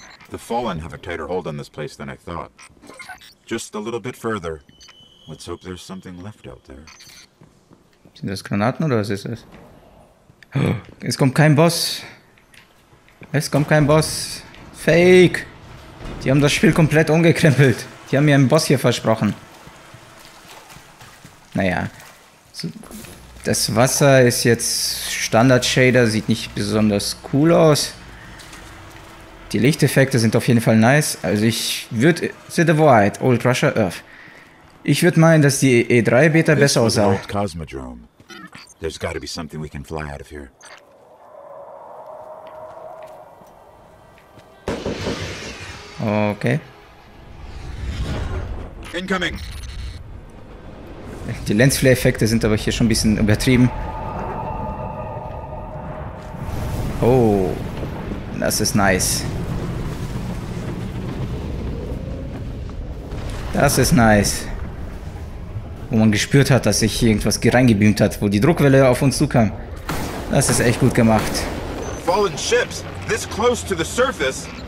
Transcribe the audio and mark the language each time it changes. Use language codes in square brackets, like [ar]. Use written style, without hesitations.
[en] The Fallen have a tighter hold on this place than I thought. Just a little bit further. Let's hope there's something left out there. [de] Sind das Granaten oder was ist das? Es kommt kein Boss. Es kommt kein Boss. Fake. Die haben das Spiel komplett umgekrempelt. Die haben mir einen Boss hier versprochen. Naja. Das Wasser ist jetzt Standard-Shader. Sieht nicht besonders cool aus. Die Lichteffekte sind auf jeden Fall nice. Also ich würde... [en] See the void, old Russia Earth. [de] Ich würde meinen, dass die E3-Beta besser aussah. [en] Old Cosmodrome. There's gotta be something we can fly out of here. Okay. Incoming. [de] Die Lensflare-Effekte sind aber hier schon ein bisschen übertrieben. Oh. Das ist nice. Das ist nice. Wo man gespürt hat, dass sich hier irgendwas reingebeamt hat, wo die Druckwelle auf uns zukam. Das ist echt gut gemacht. [en] Fallen ships, this close to the surface.